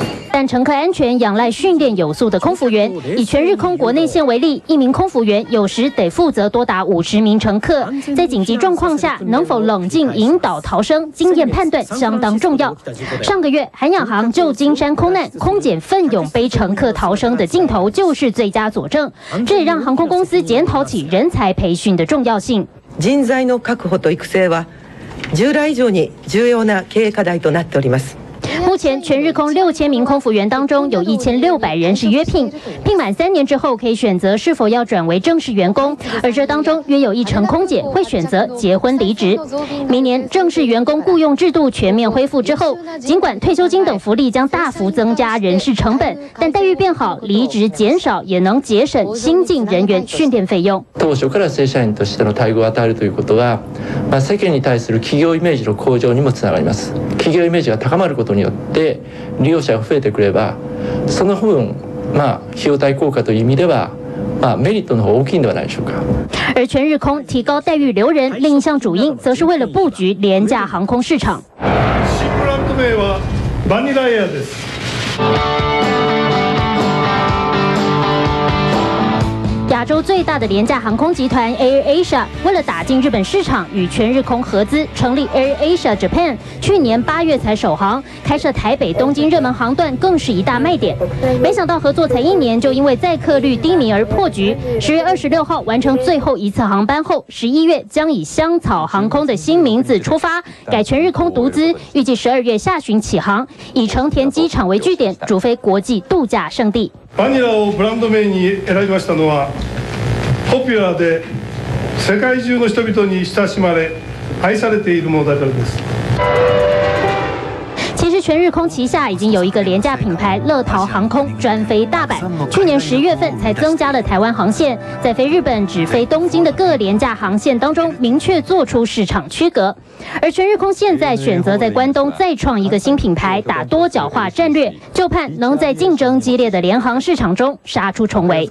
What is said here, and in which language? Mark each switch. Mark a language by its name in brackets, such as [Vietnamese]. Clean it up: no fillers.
[Chinese] 但乘客安全仰赖训练有素的空服员，以全日空国内线为例，一名空服员有时得负责多达50名乘客，在紧急状况下能否冷静引导逃生，经验判断相当重要。上个月韩亚航旧金山空难，空姐奋勇背乘客逃生的镜头就是最佳佐证，这也让航空公司检讨起人才培训的重要性。 [Japanese] 人材の確保と育成は従来以上に重要な経営課題となっております。 [Chinese] 目前全日空6000名空服员当中，有1600人是约聘，聘满3年之后可以选择是否要转为正式员工，而这当中约有10%空姐会选择结婚离职。明年正式员工雇佣制度全面恢复之后，尽管退休金等福利将大幅增加人事成本，但待遇变好，离职减少，也能节省新进人员训练费用。 [Japanese] 当初から正社員としての待遇を与えるということは、世間に対する企業イメージの向上にもつながります。企業イメージが高まることによって利用者が増えてくれば、その分、費用対効果という意味では、メリットの方が大きいのではないでしょうか。 [Chinese] 而全日空提高待遇留人另一项主因，则是为了布局廉价航空市场。 [Japanese] 新ブランド名はバニラエアです。 [Chinese] 亚洲最大的廉价航空集团 AirAsia 为了打进日本市场，与全日空合资成立 AirAsia Japan， 去年8月才首航，开设台北东京热门航段更是一大卖点。没想到合作才一年就因为载客率低迷而破局，10月26号完成最后一次航班后，11月将以香草航空的新名字出发，改全日空独资，预计12月下旬起航，以成田机场为据点，主飞国际度假胜地。 [Japanese] バニラをブランド名に選びましたのは、ポピュラーで世界中の人々に親しまれ愛されているものだからです。 [Chinese] 其实全日空旗下已经有一个廉价品牌乐桃航空，专飞大阪，去年10月才增加了台湾航线，在飞日本只飞东京的各廉价航线当中明确做出市场区隔。而全日空现在选择在关东再创一个新品牌，打多角化战略，就盼能在竞争激烈的联航市场中杀出重围。